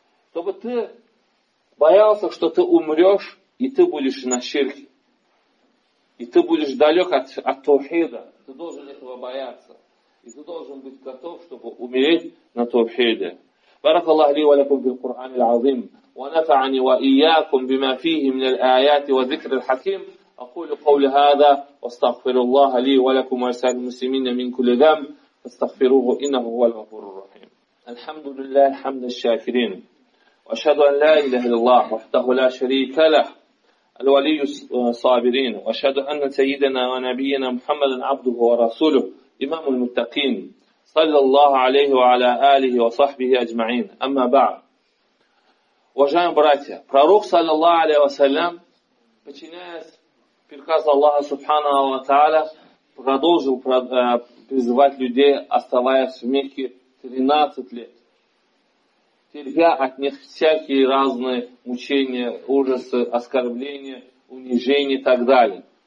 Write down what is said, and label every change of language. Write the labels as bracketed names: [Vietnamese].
[Russian] Чтобы ты боялся, что ты умрешь, и ты будешь на ширке. И ты будешь далек от таухида. Ты должен этого бояться. И ты должен быть готов, чтобы умереть на таухиде. [Arabic] بارك الله لي ولكم في القرآن العظيم ونفعني وإياكم بما فيه من الآيات وذكر الحكيم أقول قول هذا واستغفر الله لي ولكم ولسائر المسلمين من كل ذنب فاستغفروه إنه هو الغفور الرحيم الحمد لله حمد الشاكرين وأشهد أن لا إله إلا الله وحده لا شريك له الولي الصابرين وأشهد أن سيدنا ونبينا محمد عبده ورسوله إمام المتقين صلى الله عليه وعلى آله وصحبه أجمعين. أما بعد. [Russian] Уважаемые братья, пророк, саллаллаху алейхи ва саллям, подчиняясь приказу Аллаха Субханаху ва Тааля, продолжил призывать людей, оставаясь в Мекке 13 лет, терпя от них всякие разные мучения, ужасы, оскорбления, унижения и так далее.